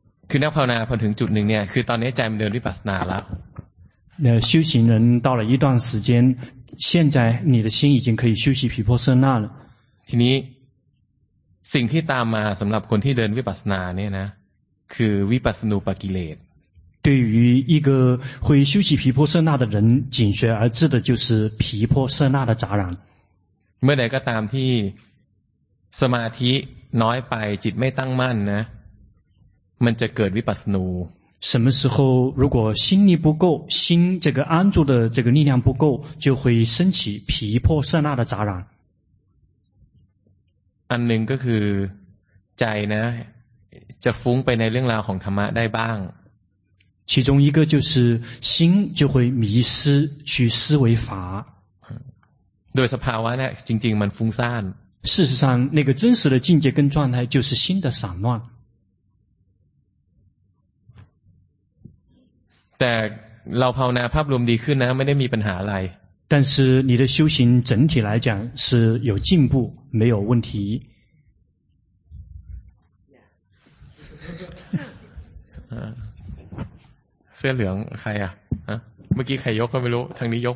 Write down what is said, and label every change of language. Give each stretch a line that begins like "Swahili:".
Thai: คือนักภาวนาพอถึงจุดหนึ่งเนี่ยคือตอนนี้ใจมันเดินวิปัสสนาแล้
Chinese: ว修行人到了一段时间现在你的心已经可以修习毗婆舍那了
Thai: ทีนี้สิ่งที่ตามมาสำหรับคนที่เดินวิปัสสนาเนี่ยนะคือวิปัสสนูปกิเลส
Chinese: 对于一个会修习毗婆舍那的人紧随而至的就是毗婆舍那的杂染
Thai: เมื่อใดก็ตามที่สมาธิน้อยไปจิตไม่ตั้งมั่นนะมันจะเกิดวิปัสสนู
Chinese: 什么时候如果心力不够心这个安住的这个力量不够就会升起毗婆舍那的杂染
Thai: อันหนึ่งก็คือใจนะจะฟุ้งไปในเรื่องราวของธรรมะได้บ้าง
Chinese: 其中一个就是心就会迷失去思维法
Thai: โดยสภาวะนะจริงๆมันฟุ้งซ่าน
Chinese: 事实上那个真实的境界跟状态就是心的散乱
Thai: แต่เราภาวนาภาพรวมดีขึ้นนะไม่ได้มีปัญหาอะไร
Chinese: 但是你的修行整体来讲是有进步没有问题
Thai: เสื้อเหลืองใครอ่ะฮะเมื่อกี้ใครยกก็ไม่รู้ทางนี้ยก